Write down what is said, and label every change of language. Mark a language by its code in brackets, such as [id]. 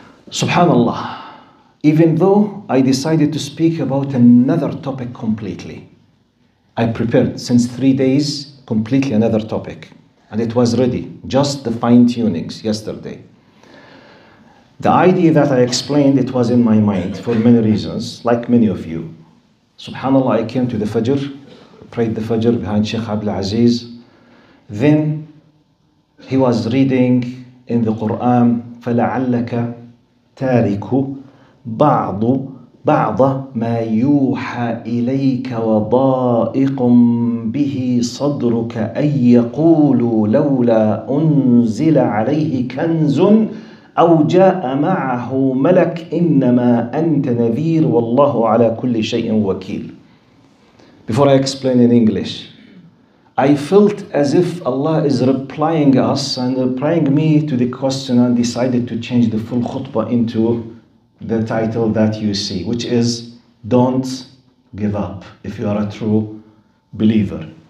[en] Subhanallah, even though I decided to speak about another topic completely, I prepared since 3 days completely another topic, and it was ready, just the fine tunings yesterday. The idea that I explained, it was in my mind for many reasons, like many of you. Subhanallah, I came to the Fajr, prayed the Fajr behind Sheikh Abdul Aziz. Then he was reading in the Quran, [ar] فَلَعَلَّكَ تَارِكُ بَعْضَ مَا يُوحَى إِلَيْكَ وَضَائِقٌ بِهِ صَدْرُكَ أَنْ يَقُولُوا لَوْلَا أُنْزِلَ عَلَيْهِ كَنْزٌ أو جاء معه ملك إنما أنت نذير والله على كل شيء وكيل. [en] Before I explain in English, I felt as if Allah is replying us and replying me to the question, and decided to change the full khutbah into the title that you see, which is Don't Give Up If You Are a True Believer.